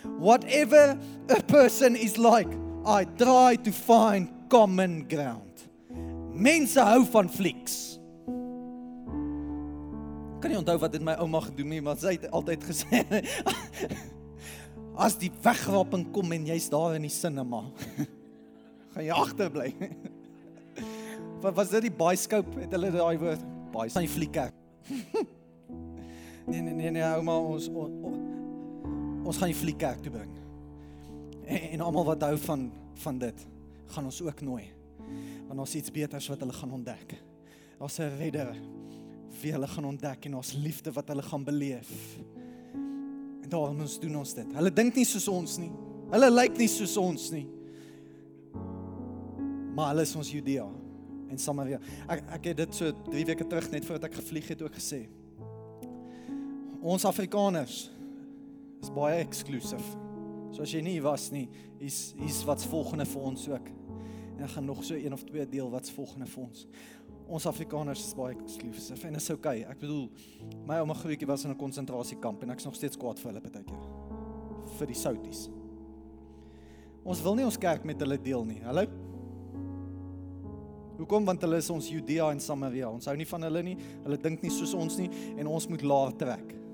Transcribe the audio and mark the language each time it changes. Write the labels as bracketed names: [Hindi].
[English] Whatever a person is like, I try to find common ground. [Afrikaans] Mense hou van flieks. Kan nie onthou wat dit my ouma gedoen nie, maar sy het altyd gesê, as die wegraping kom en jy is daar in die cinema, gaan jy achterbly. Was dit die bioskoop, het hulle die woord, bioskoop, van die fliekkerk. Nee, ouma, ons gaan die fliekkerk toe bring. En allemaal wat hou van dit, gaan ons ook nooi. Want ons iets beters wat hulle gaan ontdek. Ons een redder, wie hulle gaan ontdek, en ons liefde wat hulle gaan beleef. En daarom ons doen ons dit. Hulle dink nie soos ons nie. Hulle lyk nie soos ons nie. Maar hulle is ons Judea. En Samaria, ek het dit so 3 weke terug, net voordat ek gevlieg het, ook gesê. Ons Afrikaners is baie exclusive. So as jy nie was nie, is wat's volgende vir ons ook. En ek gaan nog so 1 of 2 deel wat's volgende vir ons. Ons Afrikaners is baie exclusive en is ok. Ek bedoel, my ouma grootjie was in 'n konsentrasiekamp en ek is nog steeds kwaad vir hulle partykeer. Vir die Souties. Ons wil nie ons kerk met hulle deel nie. Hallo? Hoekom? Want hulle is ons Judea en Samaria. Ons hou nie van hulle nie, hulle dink nie soos ons nie, en ons moet laag trek.